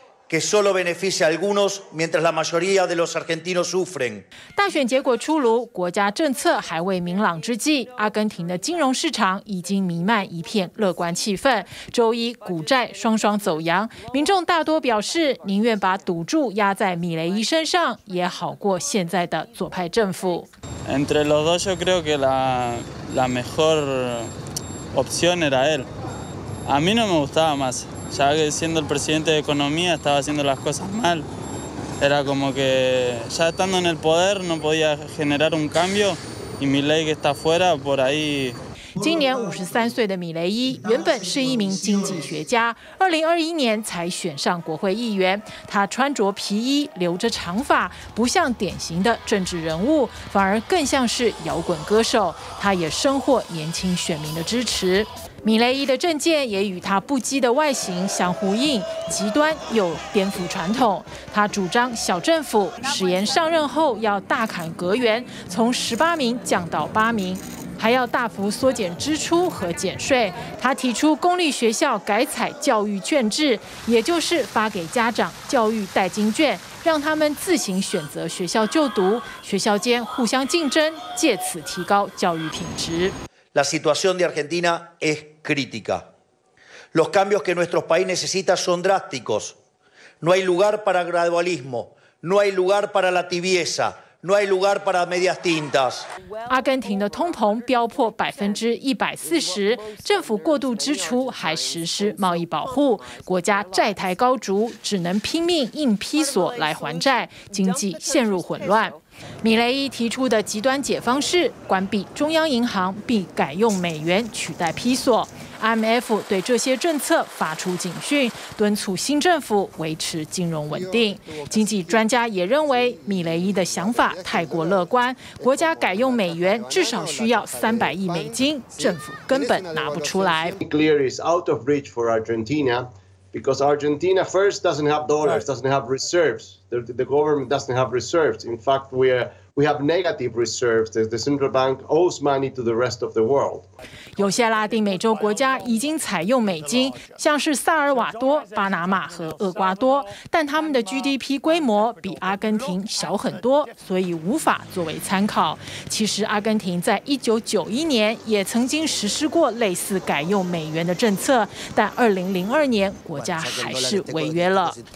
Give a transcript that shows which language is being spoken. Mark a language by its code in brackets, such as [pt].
[es] Que solo beneficia a algunos, mientras la mayoría de los argentinos sufren. [zh] 大选结果出炉，国家政策还未明朗之际，阿根廷的金融市场已经弥漫一片乐观气氛。周一，股债双双走扬，民众大多表示宁愿把赌注压在米雷伊身上，也好过现在的左派政府。 [es] Entre los dos, yo creo que la mejor opción era él. A mí no me gustaba más. Ya que siendo el presidente de economía estaba haciendo las cosas mal. Era como que ya estando en el poder no podía generar un cambio y Milei que está fuera por ahí... [zh] 今年53岁的米雷伊原本是一名经济学家，2021年才选上国会议员。他穿着皮衣，留着长发，不像典型的政治人物，反而更像是摇滚歌手。他也深获年轻选民的支持。米雷伊的政见也与他不羁的外形相呼应，极端又颠覆传统。他主张小政府，誓言上任后要大砍阁员，从18名降到8名。还要大幅缩减支出和减税。他提出公立学校改采教育券制，也就是发给家长教育代金券，让他们自行选择学校就读，学校间互相竞争，借此提高教育品质。 [es] La situación de Argentina es crítica. Los cambios que nuestro país necesita son drásticos. No hay lugar para gradualismo, no hay lugar para la tibieza, no hay lugar para medias tintas. [zh] 阿根廷的通膨飙破140%，政府过度支出还实施贸易保护，国家债台高筑，只能拼命印批索来还债，经济陷入混乱。米雷伊提出的极端解方是关闭中央银行并改用美元取代批索。 IMF 对这些政策发出警讯，敦促新政府维持金融稳定。经济专家也认为米雷伊的想法太过乐观，国家改用美元至少需要300亿美金，政府根本拿不出来。 [en] Clear is out of reach for Argentina because Argentina first doesn't have dollars, doesn't have reserves. The government doesn't have reserves. In fact, we have negative reserves. The central bank owes money to the rest of the world. [zh] 有些拉丁美洲国家已经采用美金，像是萨尔瓦多、巴拿马和厄瓜多，但他们的 GDP 规模比阿根廷小很多，所以无法作为参考。其实阿根廷在1991年也曾经实施过类似改用美元的政策，但2002年国家还是违约了。